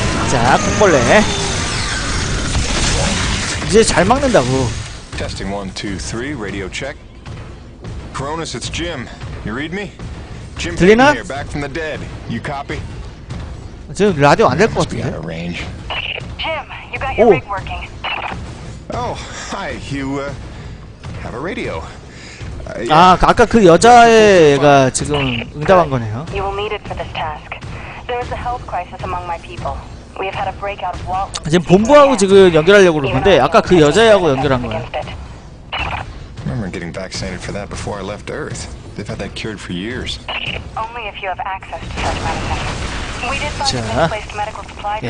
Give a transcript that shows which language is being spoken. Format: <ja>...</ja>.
<ko>자, 콩벌레 이제 잘 막는다고.</ko> <en>Testing 1, 2, 3 radio check. Cronus, it's Jim. You read me? Jim, Pinkman here, back from the dead. You copy?</en> <ko>지금 라디오 안 될 것 같은데.</ko> <en>Must be out of range. Jim, you got your rig working. Oh, hi. You have a radio?</en> <ko>아, 아까 그 여자애가 지금 응답한 거네요.</ko> <en>You will need it for this task. There is a health crisis among my people. We have had a breakout of wall.</en> <ko>지금 본부하고 지금 연결하려고 그러는데 아까 그 여자애하고 연결한 거야.</ko> <en>Remember getting vaccinated for that before I left Earth. They've had that cured for years. Only if you have access to such medicine. We did find a misplaced medical supply drop.</en>